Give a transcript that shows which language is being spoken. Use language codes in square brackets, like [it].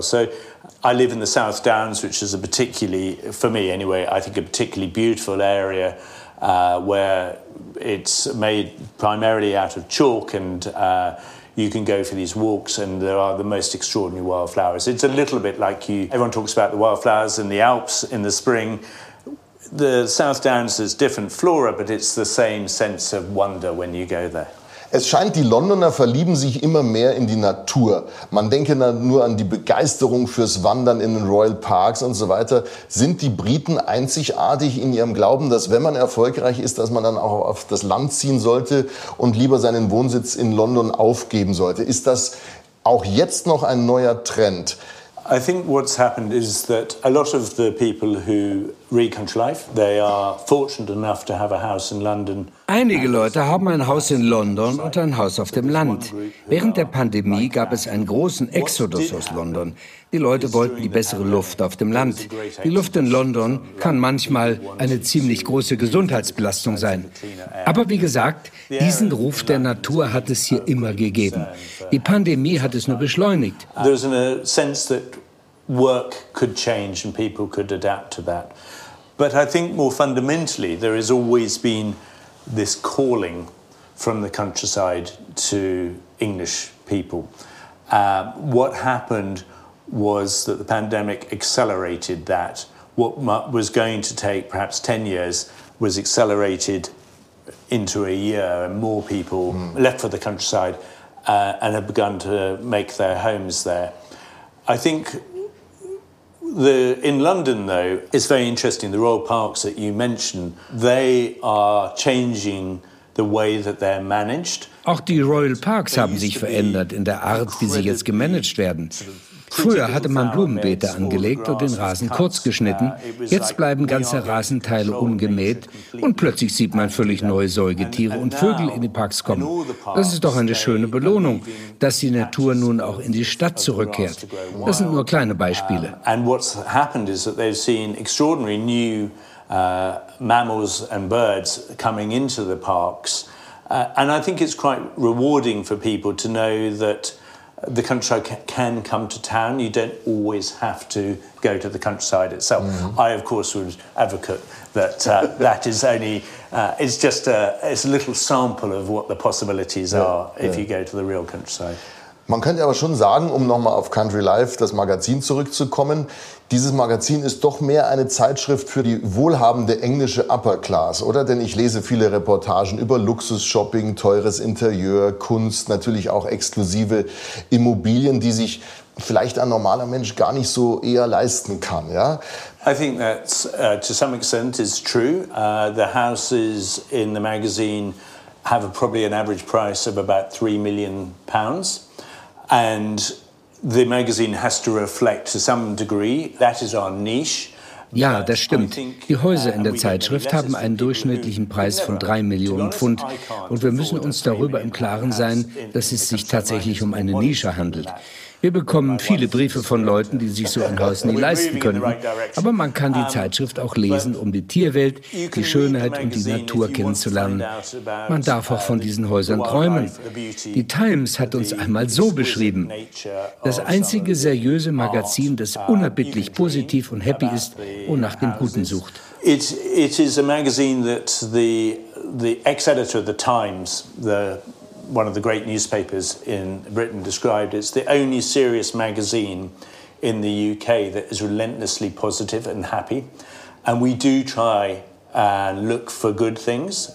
[en] So I live in the South Downs, which is a particularly, for me anyway, I think a particularly beautiful area where it's made primarily out of chalk and you can go for these walks and there are the most extraordinary wildflowers. It's a little bit like you, everyone talks about the wildflowers in the Alps in the spring. The South Downs is different flora, but it's the same sense of wonder when you go there. [de] Es scheint, die Londoner verlieben sich immer mehr in die Natur. Man denke nur an die Begeisterung fürs Wandern in den Royal Parks und so weiter. Sind die Briten einzigartig in ihrem Glauben, dass wenn man erfolgreich ist, dass man dann auch auf das Land ziehen sollte und lieber seinen Wohnsitz in London aufgeben sollte? Ist das auch jetzt noch ein neuer Trend? [en] I think what's happened is that a lot of the people who read Country Life, they are fortunate enough to have a house in London. [de] Einige Leute haben ein Haus in London und ein Haus auf dem Land. Während der Pandemie gab es einen großen Exodus aus London. Die Leute wollten die bessere Luft auf dem Land. Die Luft in London kann manchmal eine ziemlich große Gesundheitsbelastung sein. Aber wie gesagt, diesen Ruf der Natur hat es hier immer gegeben. Die Pandemie hat es nur beschleunigt. [en] There's a sense that work could change and people could adapt to that. But I think more fundamentally there has always been this calling from the countryside to English people. What happened was that the pandemic accelerated that. What was going to take perhaps 10 years was accelerated into a year and more people left for the countryside and have begun to make their homes there. I think in London, though, it's very interesting. The Royal Parks that you mentioned, they are changing the way that they're managed. [de] Auch die Royal Parks haben sich verändert in der Art, wie sie jetzt gemanagt werden. Früher hatte man Blumenbeete angelegt und den Rasen kurz geschnitten. Jetzt bleiben ganze Rasenteile ungemäht und plötzlich sieht man völlig neue Säugetiere und Vögel in die Parks kommen. Das ist doch eine schöne Belohnung, dass die Natur nun auch in die Stadt zurückkehrt. Das sind nur kleine Beispiele. [en] And what's happened is that they've seen extraordinary new mammals and birds coming into the parks. And I think it's quite rewarding for people to know that the countryside can come to town. You don't always have to go to the countryside itself. Mm-hmm. I, of course, would advocate that that is only, it's a little sample of what the possibilities are if you go to the real countryside. [de] Man könnte aber schon sagen, um nochmal auf Country Life, das Magazin, zurückzukommen, dieses Magazin ist doch mehr eine Zeitschrift für die wohlhabende englische Upper Class, oder? Denn ich lese viele Reportagen über Luxus-Shopping, teures Interieur, Kunst, natürlich auch exklusive Immobilien, die sich vielleicht ein normaler Mensch gar nicht so eher leisten kann, ja? [en] I think that's to some extent is true. The houses in the magazine have probably an average price of about £3 million. And the magazine has to reflect to some degree. That is our niche. [de] Ja, das stimmt. Die Häuser in der Zeitschrift haben einen durchschnittlichen Preis von 3 Millionen Pfund. Und wir müssen uns darüber im Klaren sein, dass es sich tatsächlich um eine Nische handelt. Wir bekommen viele Briefe von Leuten, die sich so ein Haus nie leisten könnten. Aber man kann die Zeitschrift auch lesen, um die Tierwelt, die Schönheit und die Natur kennenzulernen. Man darf auch von diesen Häusern träumen. Die Times hat uns einmal so beschrieben: Das einzige seriöse Magazin, das unerbittlich positiv und happy ist und nach dem Guten sucht. [en] It is a magazine that the ex-editor of the Times, the one of the great newspapers in Britain described, it's the only serious magazine in the UK that is relentlessly positive and happy. And we do try and look for good things.